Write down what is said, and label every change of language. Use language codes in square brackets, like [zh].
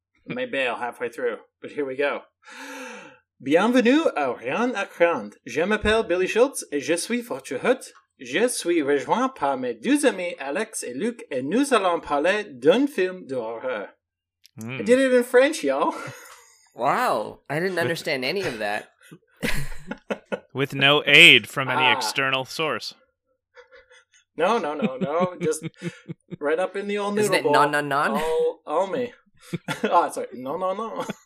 [en] I may bail halfway through, but here we go. [fr] Bienvenue à Rien à craindre. Je m'appelle Billy Schultz et je suis votre hôte. Je suis rejoint par mes deux amis Alex et Luc et nous allons parler d'un film d'horreur. [en] Mm. I did it in French, y'all. Wow, I didn't understand any of that. With no aid from any external source. No. Just right up in the old noodle bowl. Isn't it non-non-non? All me. Oh, sorry. No.